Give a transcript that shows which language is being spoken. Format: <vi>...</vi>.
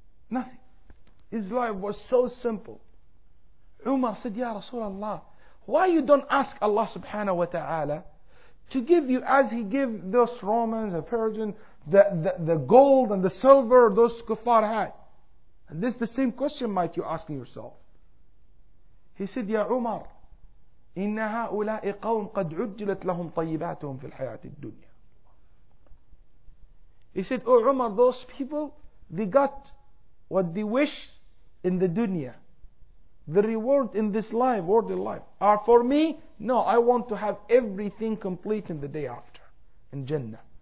<en>Nothing. His life was so simple. Umar said, Ya Rasulullah, why you don't ask Allah subhanahu wa ta'ala to give you, as he gave those Romans and Persians, the gold and the silver those kuffar had? And this is the same question might you asking yourself. He said, Ya Umar,</en> <ar>إِنَّ هَؤُلَاءِ قَوْمْ قَدْ عُجِّلَتْ لَهُمْ طَيِّبَاتُهُمْ فِي الْحَيَاةِ الدُّنْيَا.</ar> <en>He said, Oh Umar, those people, they got what they wish in the dunya. The reward in this life, worldly life, are for me? No, I want to have everything complete in the day after, in Jannah.</en>